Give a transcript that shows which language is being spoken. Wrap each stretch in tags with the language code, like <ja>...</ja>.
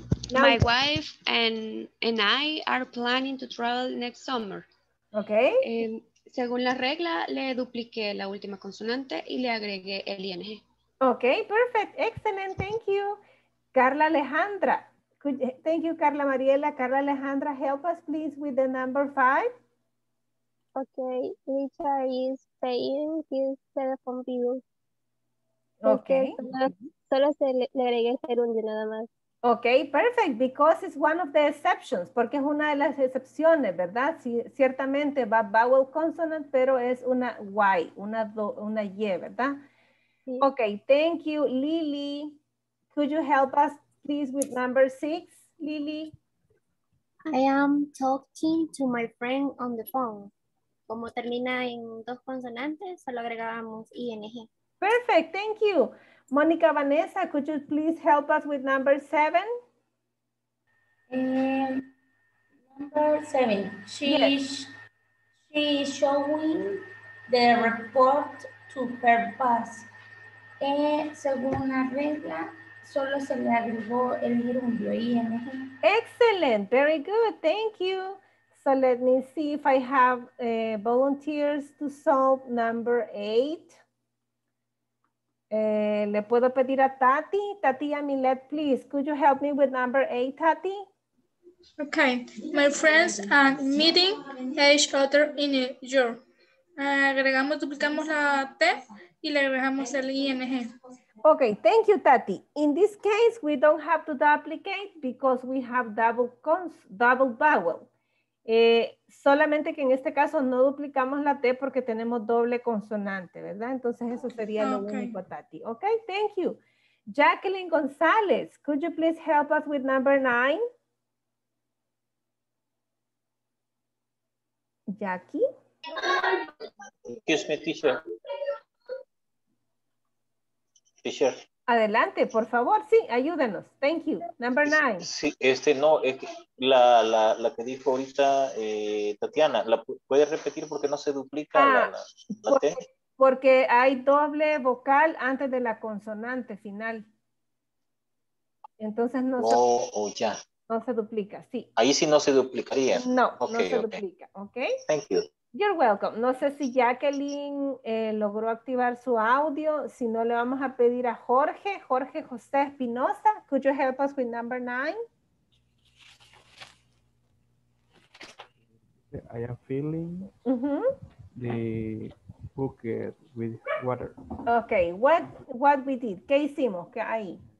<en>My wife and I are planning to travel next summer. Ok.</en> <es>Según la regla, le dupliqué la última consonante y le agregué el ING.</es> <en>Okay, perfect, excellent, thank you. Carla Alejandra, thank you, Carla Mariela. Carla Alejandra, help us please with the number 5. Okay, Lisa is paying his telephone bill. Okay.</en> <es>Solo se le agregué el gerundio nada más.</es> <en>Okay, perfect, because it's one of the exceptions,</en> <es>porque es una de las excepciones, ¿verdad? Sí, ciertamente va</es> <en>vowel consonant,</en> <es>pero es una Y, una Y, ¿verdad?</es> <en>Okay, thank you, Lily. Could you help us, please, with number 6, Lily? I am talking to my friend on the phone.</en> <es>Como termina en dos consonantes, solo agregamos ING.</es> <en>Perfect, thank you. Monica Vanessa, could you please help us with number 7? Number 7. She is showing the report to her boss.</en> <es>Según la regla, solo se le agregó el gerundio ING.</es> <en>Excellent. Very good. Thank you. So let me see if I have volunteers to solve number 8.</en> <es>Le puedo pedir a Tati. Tati Amilet,</es> <en>please. Could you help me with number 8, Tati? Okay. My friends are meeting each other in a year.</en> <es>Agregamos, duplicamos la T y le agregamos el ING.</es> <en>Okay. Thank you, Tati. In this case, we don't have to duplicate because we have double vowel.</en> <es>Solamente que en este caso no duplicamos la T porque tenemos doble consonante, ¿verdad? Entonces eso sería lo único, Tati.</es> <en>Okay, thank you. Jacqueline González, could you please help us with number 9? Jackie? Excuse me, teacher.</en> <es>Adelante, por favor, sí, ayúdenos.</es> <en>Thank you. Number 9.</en> <es>Sí, no, es la que dijo ahorita Tatiana, ¿la puedes repetir porque no se duplica la T? Porque hay doble vocal antes de la consonante final. Entonces no se duplica. Oh, ya. No se duplica, sí. Ahí sí no se duplicaría. No, okay, no se duplica, okay.</es> <en>Thank you. You're welcome.</en> <es>No sé si Jacqueline logró activar su audio. Si no, le vamos a pedir a Jorge.</es> <en>Jorge José Espinosa, could you help us with number 9? I am filling the bucket with water. Okay, what we did?</en> <es>¿Qué hicimos? ¿Qué hay?</es>